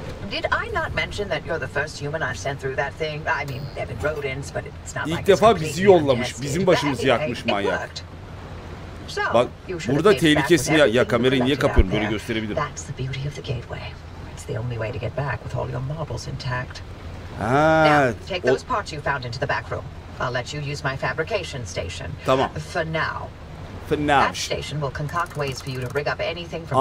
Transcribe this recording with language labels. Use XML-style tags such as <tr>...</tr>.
<en>Did I not mention that you're the first human I've sent through that thing? I mean, there've been rodents, but it's not like.</en> <tr>İlk defa bizi yollamış, bizim başımızı yakmış manyak. Bak, burada tehlikesini ya kamerayı niye kapıyorum, böyle gösterebilirim.</tr> <en>That's the beauty of the gateway. It's the only way to get back with all your marbles intact. Now, take those parts you found into the back room. I'll let you use my fabrication station.</en> <tr>Tamam.</tr> <en>For now. For now. That station will concoct ways for you to rig up anything from.</en>